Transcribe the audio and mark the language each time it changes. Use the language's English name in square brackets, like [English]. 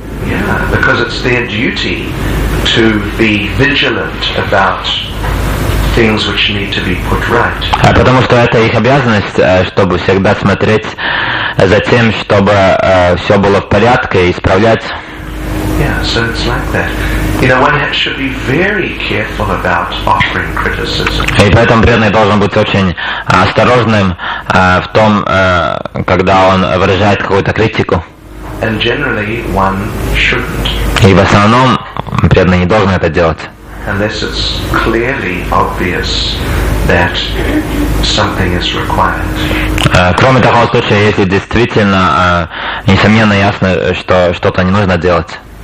[English] Yeah, because it's their duty to be vigilant about things which need to be put right. [Russian] А потому что это их обязанность, чтобы всегда смотреть за тем, чтобы все было в порядке и исправлять. [English] Yeah, so it's like that. You know, one should be very careful about offering criticism. [Russian] И поэтому преданный должен быть очень осторожным в том, когда он выражает какую-то критику. [English] And generally, one shouldn't. [Russian] И в основном преданный не должен это делать. [English] Unless it's clearly obvious that something is required. [Russian] Кроме того, в случае, если действительно несомненно ясно, что что-то не нужно делать.